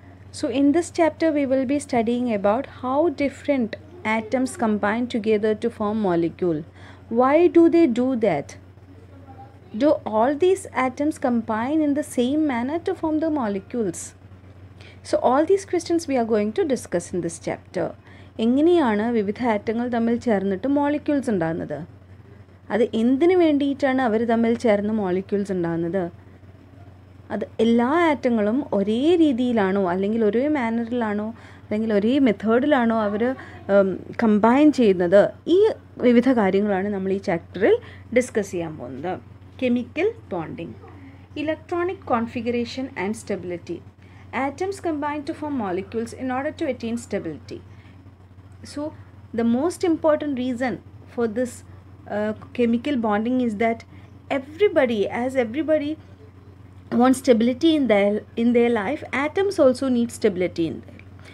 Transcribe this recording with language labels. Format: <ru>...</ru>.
<en>So in this chapter we will be studying about how different atoms combine together to form molecule. Why do they do that? Do all these atoms combine in the same manner to form the molecules? So all these questions we are going to discuss in this chapter.</en> <ml>എങ്ങനെയാണ് വിവിധ ആറ്റങ്ങൾ തമ്മിൽ ചേർന്നിട്ട് molecules ഉണ്ടാകുന്നത്, അത് എന്തിനു വേണ്ടിയിട്ടാണ് അവർ തമ്മിൽ ചേർന്ന് മോളിക്യൂൾസ് ഉണ്ടാകുന്നത്, അത് എല്ലാ ആറ്റങ്ങളും ഒരേ രീതിയിലാണോ അല്ലെങ്കിൽ ഒരേ മാനറിലാണോ അല്ലെങ്കിൽ ഒരേ മെത്തേഡിലാണോ അവർ കമ്പൈൻ ചെയ്യുന്നത്, ഈ വിവിധ കാര്യങ്ങളാണ് നമ്മൾ ഈ ചാപ്റ്ററിൽ ഡിസ്കസ് ചെയ്യാൻ പോകുന്നത്.</ml> <en>Chemical bonding, electronic configuration and stability. Atoms combine to form molecules in order to attain stability. So the most important reason for this chemical bonding is that everybody wants stability in their life, atoms also need stability in their life.</en>